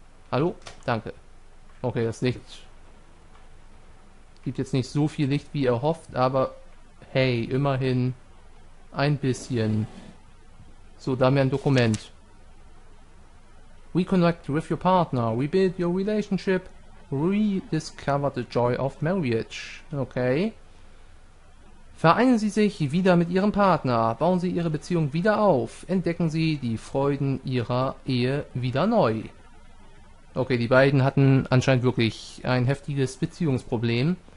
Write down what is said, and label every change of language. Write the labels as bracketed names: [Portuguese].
[German] Hallo? Danke. Okay, das Licht gibt jetzt nicht so viel Licht wie erhofft, aber hey, immerhin ein bisschen. So, da haben wir ein Dokument. [English] Reconnect with your partner. Rebuild your relationship. Rediscover the joy of marriage. Okay. [German] Vereinen Sie sich wieder mit Ihrem Partner. Bauen Sie Ihre Beziehung wieder auf. Entdecken Sie die Freuden Ihrer Ehe wieder neu. Okay, die beiden hatten anscheinend wirklich ein heftiges Beziehungsproblem.